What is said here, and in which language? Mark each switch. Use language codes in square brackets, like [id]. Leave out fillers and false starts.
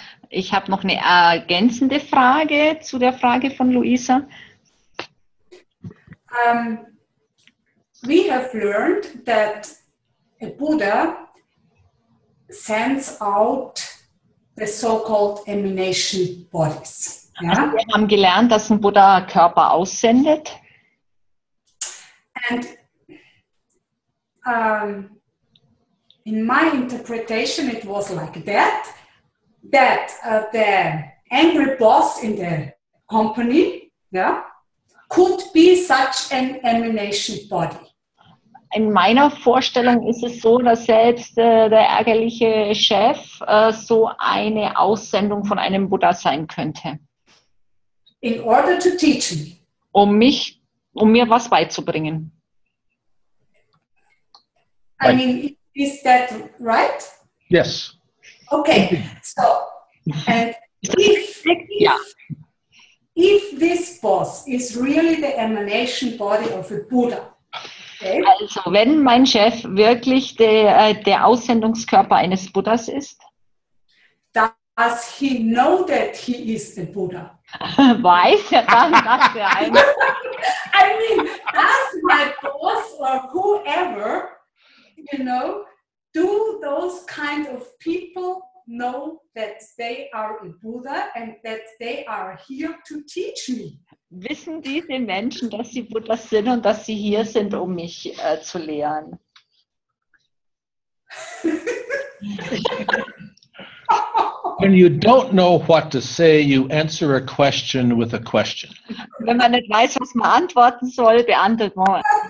[de] Ich habe noch eine ergänzende Frage zu der Frage von Luisa. [en] We have learned that a Buddha sends out the so-called emanation bodies. Yeah? [de] Wir haben gelernt, dass ein Buddha Körper aussendet. [en] And in my interpretation, it was like that the angry boss in the company, yeah, could be such an emanation body. [de] In meiner Vorstellung ist es so, dass selbst der ärgerliche Chef so eine Aussendung von einem Buddha sein könnte. [en] In order to teach me. [de] Um mir was beizubringen. [en] I mean, is that right? Yes. Okay, so, and if this boss is really the emanation body of a Buddha, okay? [de] Also, wenn mein Chef wirklich der Aussendungskörper eines Buddhas ist, [en] does he know that he is a Buddha? [de] Weiß er dann, dass er ein Buddha ist? [en] I mean, does my boss or whoever, you know, do those kind of people know that they are a Buddha and that they are here to teach me? [de] Wissen diese Menschen, dass sie Buddha sind und dass sie hier sind, um mich zu lehren? [en] When you don't know what to say, you answer a question with a question. [de] Wenn man nicht weiß, was man antworten soll, beantwortet man.